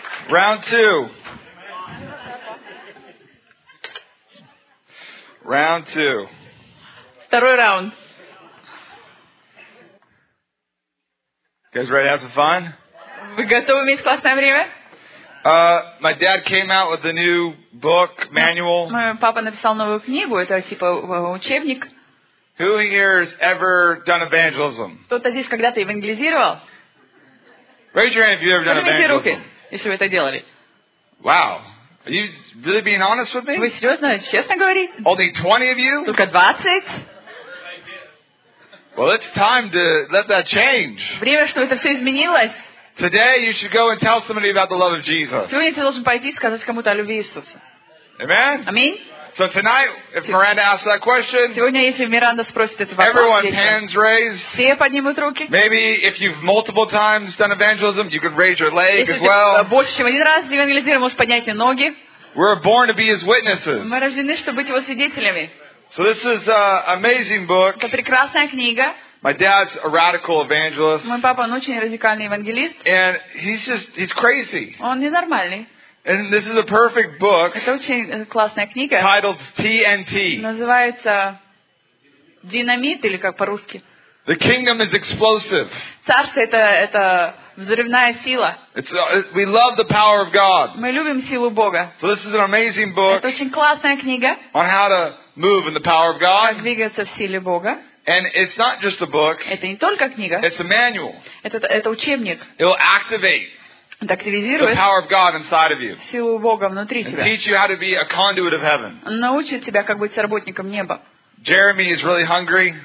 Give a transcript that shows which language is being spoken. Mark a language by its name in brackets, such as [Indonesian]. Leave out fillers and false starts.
[English] Round two. Round two. [Russian] Второй раунд. [English] You guys ready to have some fun? [Russian] Вы готовы иметь классное время? [English] My dad came out with a new book, manual. [Russian] Мой папа написал новую книгу, это типа учебник. [English] Who here has ever done evangelism? [Russian] Кто-то здесь когда-то евангелизировал? [English] Raise your hand if you've ever done evangelism. [Russian] Поднимите руки, если вы это делали. [English] Wow. Are you really being honest with me? [Russian] Вы серьезно, честно говорите? [English] Only 20 of you? [Russian] Только 20? [English] Well, it's time to let that change. [Russian] Время, чтобы это все изменилось. [English] Today you should go and tell somebody about the love of Jesus. [Russian] Сегодня ты должен пойти и сказать кому-то о любви Иисуса. [English] Amen? [Russian] Аминь. [English] So tonight, if Miranda asks that question, [Russian] сегодня, если Миранда спросит этот вопрос, [English] everyone's hands raised. [Russian] Все поднимут руки. [English] Maybe if you've multiple times done evangelism, you could raise your leg [Russian] если [English] as well. [Russian] Если больше, чем один раз евангелизировал, можешь поднять ноги. [English] We're born to be His witnesses. [Russian] Мы рождены, чтобы быть Его свидетелями. [English] So this is an amazing book. [Russian] Это прекрасная книга. [English] My dad's a radical evangelist. [Russian] Мой папа очень радикальный евангелист. [English] And he's crazy. [Russian] Он ненормальный. [English] And this is a perfect book. [Russian] Это очень классная книга. [English] Titled TNT. [Russian] Называется динамит или как по-русски? [English] The kingdom is explosive. [Russian] Царство это взрывная сила. [English] We love the power of God. [Russian] Мы любим силу Бога. [English] So this is an amazing book. [Russian] Это очень классная книга. [English] On how to move in the power of God. [Russian] Как двигаться в силе Бога. [English] And it's not just a book. [Russian] Это не только книга. [English] It's a manual. [Russian] Это учебник. [English] It'll activate. [Russian] Это активизирует. [English] The power of God inside of you. [Russian] Силу Бога внутри тебя. [English] And teach you how to be a conduit of heaven. [Russian] Научит тебя как быть работником неба. [English] Jeremy is really hungry.